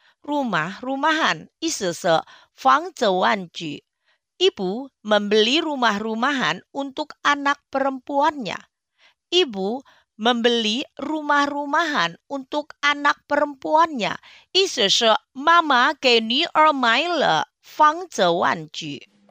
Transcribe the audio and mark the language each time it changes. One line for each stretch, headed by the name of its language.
Chinese: rumah-rumahan 意思是房子玩具。
Indonesian: Ibu membeli rumah-rumahan untuk anak perempuannya. Ibu membeli rumah-rumahan untuk anak perempuannya.
Chinese: 意思是妈妈给女儿买了房子玩具。